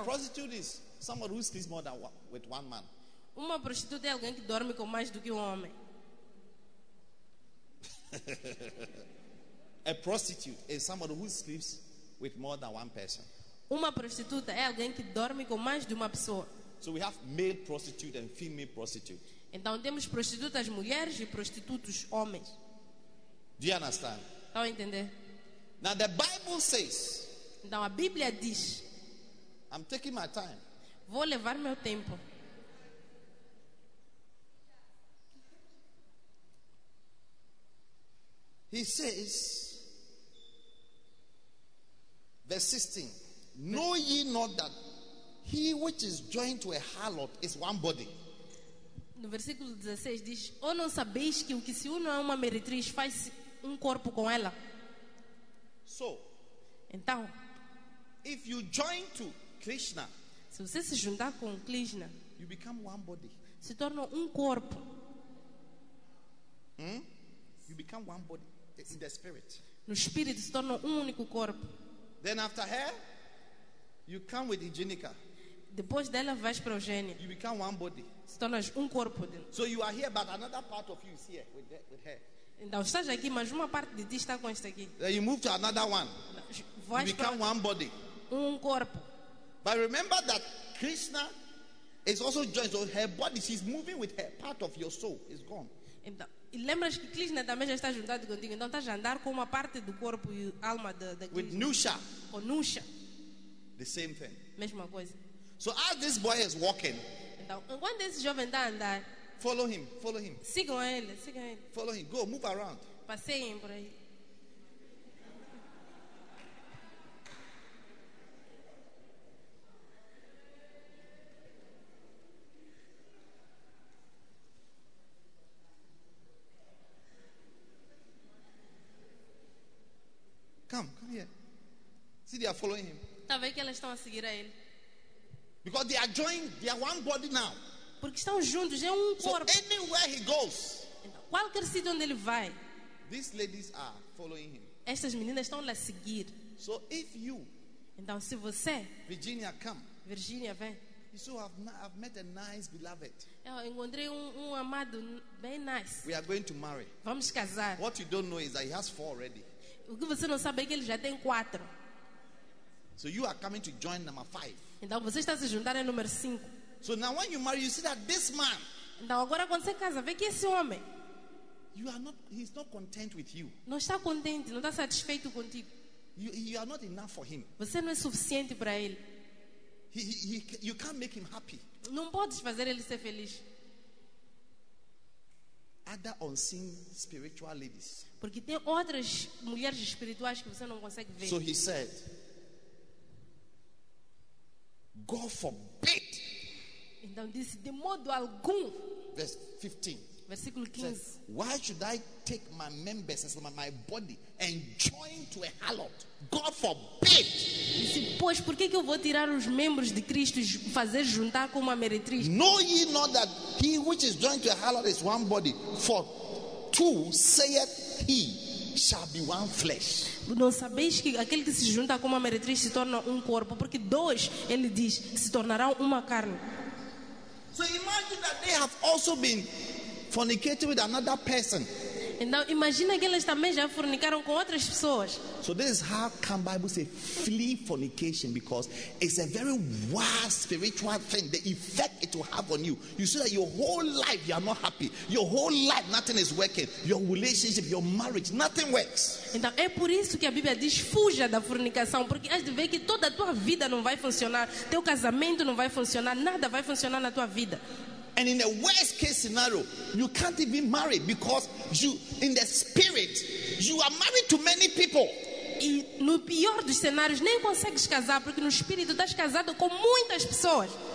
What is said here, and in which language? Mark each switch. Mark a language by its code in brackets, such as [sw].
[en] A prostitute is someone who sleeps more than one, with one man. [pt] Uma prostituta é alguém que dorme com mais do que homem. [en] A prostitute is someone who sleeps with more than one person. [pt] Uma prostituta é alguém que dorme com mais de uma pessoa. [en] So we have male prostitute and female prostitute. [pt] Então temos prostitutas mulheres e prostitutos homens. [en] Do you understand? [pt] Estão a entender? [en] Now the Bible says. [pt] Então a Bíblia diz. [en] I'm taking my time. [pt] Vou levar meu tempo. [en] He says, verse 16, know ye not that he which is joined to a harlot is one body? [pt] No versículo 16 diz, ou não sabeis que o que se une a uma meretriz faz corpo com ela? [en] So, [pt] então, [en] if you join to Krishna, [pt] se você se juntar com Krishna, [en] you become one body. [pt] Se torna corpo. [en] Hmm? You become one body. In the spirit. [pt] No espírito se torna único corpo. [en] Then after her, you come with Eugenica. [pt] Depois dela vais para Eugenia. [en] You become one body. [pt] Se tornas corpo. [en] So you are here, but another part of you is here with her. [pt] Então estás aqui, mas uma parte de ti está com esta aqui. [en] Then you move to another one. [pt] Vais [en] you become one body. [pt] Corpo. [en] But remember that Krishna is also joined. So her body, she's moving with her. Part of your soul is gone. [pt] Então, e lembras que Krishna também já está juntado contigo, então estás a andar com uma parte do corpo e alma da Krishna. [en] With Nusha. [pt] Com Nusha. [en] The same thing. [pt] Mesma coisa. [en] So as this boy is walking. [pt] Então, enquanto esse jovem está a andar. [en] Follow him. [pt] Sigam ele. [en] Follow him. Go, move around. [pt] Passeiem por aí. [en] Come here. See, they are following him. [pt] Talvez que elas estão a seguir a ele. [en] Because they are joined, they are one body now. [pt] Porque estão juntos, é corpo. [en] So anywhere he goes, [pt] qualquer sítio onde ele vai, [en] these ladies are following him. [pt] Estas meninas estão lá a seguir. [en] So if you, [pt] então se você, [en] Virginia, come. [pt] Virginia, vem. [en] You so I've met a nice beloved. [pt] Eu encontrei amado bem nice. [en] We are going to marry. [pt] Vamos casar. [en] What you don't know is that he has four already. [pt] O que você não sabe é que ele já tem quatro. [en] So you are coming to join number five. [pt] Então você está se juntando ao número 5. [en] So now when you marry, you see that this man. [pt] Então agora quando você casa, vê que esse homem. [en] You are not. He's not content with you. [pt] Não está contente, não está satisfeito contigo. [en] You are not enough for him. [pt] Você não é suficiente para ele. [en] You can't make him happy. [pt] Não podes fazer ele ser feliz. [en] Other unseen spiritual ladies. [pt] Porque tem outras mulheres espirituais que você não consegue ver. [en] So he said, God forbid. [pt] Então disse, de modo algum. [en] Verse 15. Says, why should I take my members as my body and join to a harlot? God forbid. [pt] Disse, pois por que eu vou tirar os membros de Cristo e fazer juntar com uma meretriz? [en] Know ye not that he which is joined to a harlot is one body? For two saith he shall be one flesh. [pt] Não sabeis que aquele que se junta com uma meretriz se torna um corpo? Porque dois, ele diz, se tornarão uma carne. [en] So imagine that they have also been fornicating with another person. [pt] Então imagina que eles também já fornicaram com outras pessoas. [en] So this is how can Bible say flee fornication, because it's a very wild spiritual thing, the effect it will have on you. You see that your whole life you are not happy, your whole life nothing is working, your relationship, your marriage, nothing works. [pt] Então é por isso que a Bíblia diz fuja da fornicação, porque has de ver que toda a tua vida não vai funcionar, teu casamento não vai funcionar, nada vai funcionar na tua vida. [en] And in the worst case scenario, you can't even marry, because you, in the spirit, you are married to many people. [pt] E no pior dos cenários, nem consegues casar, porque no espírito estás casado com muitas pessoas.